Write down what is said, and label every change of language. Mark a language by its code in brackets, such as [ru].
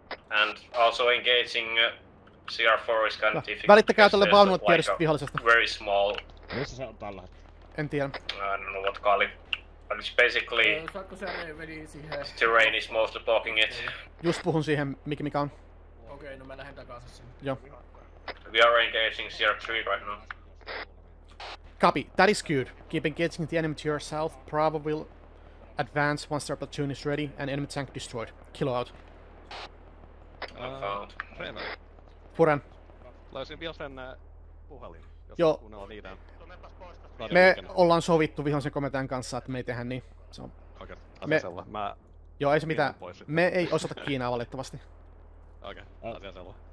[en] And also engaging Sierra 4 is kind of difficult. [fi] Välittäkää tälle vaunut tiedosta vihollisesta. [en] Very small. [fi] Missä se on tällä? En tiedä. [en] No, what call it. But it's basically... terrain is mostly blocking it. [fi] Just puhun siihen, mikä on. Okei, no mä lähden takaisin sinne. Joo. [en] We are engaging Sierra 3 right now. Copy. That is good. Keep engaging the enemy to your south. Bravo will advance once their platoon is ready and enemy tank destroyed. Kilo out. Found. [fi] Puren. Löysin vielä sen puhelin, jos Kuunnellaan niitä. Me ollaan sovittu vihollisen komentajan kanssa, että me ei tehdä niin. Se on. Okei, asia selvä. Joo, ei se mitään. Me ei osata Kiinaa valitettavasti. Okei, asia selvä.